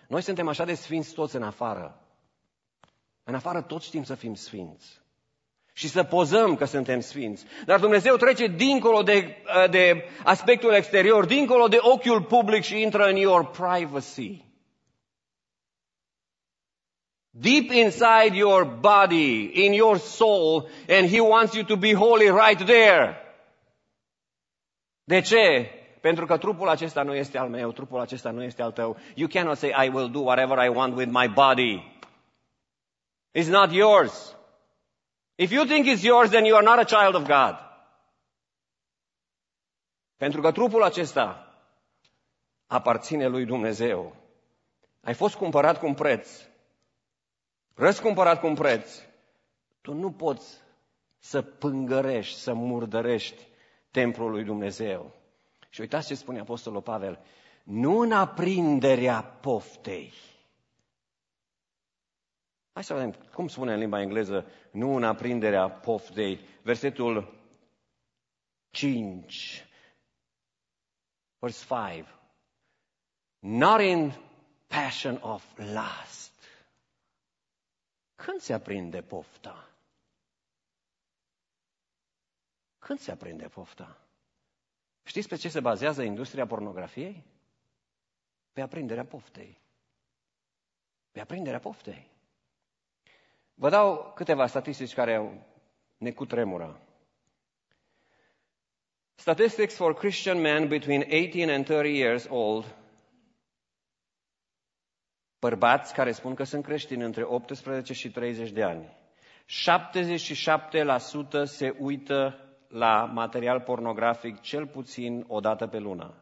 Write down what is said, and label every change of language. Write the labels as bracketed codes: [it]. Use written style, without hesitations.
[ro] Noi suntem așa de sfinți toți în afară. În afară toți știm să fim sfinți. Și să pozăm că suntem sfinți. Dar Dumnezeu trece dincolo de aspectul exterior, dincolo de ochiul public și intră în [en] your privacy. Deep inside your body, in your soul, and He wants you to be holy right there. [ro] De ce? Pentru că trupul acesta nu este al meu, trupul acesta nu este al tău. [en] You cannot say, I will do whatever I want with my body. It's not yours. If you think it's yours, then you are not a child of God. [ro] Pentru că trupul acesta aparține lui Dumnezeu. Ai fost cumpărat cu un preț. Răscumpărat cu un preț. Tu nu poți să pângărești, să murdărești templul lui Dumnezeu. Și uitați ce spune Apostolul Pavel. Nu în aprinderea poftei. Hai să vedem cum spune în limba engleză nu în aprinderea poftei. Versetul 5. [en] Verse 5. Not in passion of lust. [ro] Când se aprinde pofta? Când se aprinde pofta? Știți pe ce se bazează industria pornografiei? Pe aprinderea poftei. Pe aprinderea poftei. Vă dau câteva statistici care ne cutremură. [en] Statistics for Christian men between 18 and 30 years old. [ro] Bărbați care spun că sunt creștini între 18 și 30 de ani. 77% se uită la material pornografic cel puțin o dată pe lună.